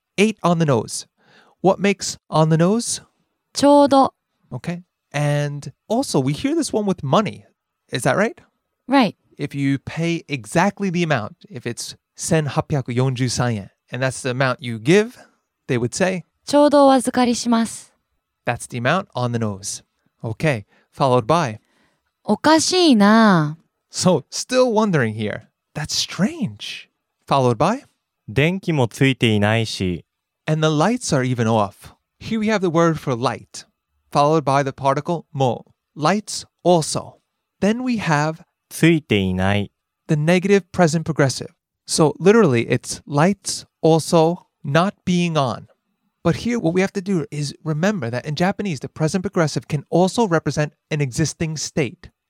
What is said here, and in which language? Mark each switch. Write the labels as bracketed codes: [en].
[en] 8 on the nose. What makes on the nose? [ja] ちょうど. [en] Okay. And also, we hear this one with money. Is that right? Right. If you pay exactly the amount, if it's 1,843円, and that's the amount you give, they would say, [ja] ちょうどお預かりします. [en] That's the amount on the nose. Okay, followed by, [ja] おかしいな. [en] So, still wondering here. That's strange. Followed by, [ja] 電気もついていないし. [en] And the lights are even off. Here we have the word for light, followed by the particle mo, lights also. Then we have [ja] ついていない. [en] The negative present progressive. So literally, it's lights also not being on. But here, what we have to do is remember that in Japanese, the present progressive can also represent an existing state.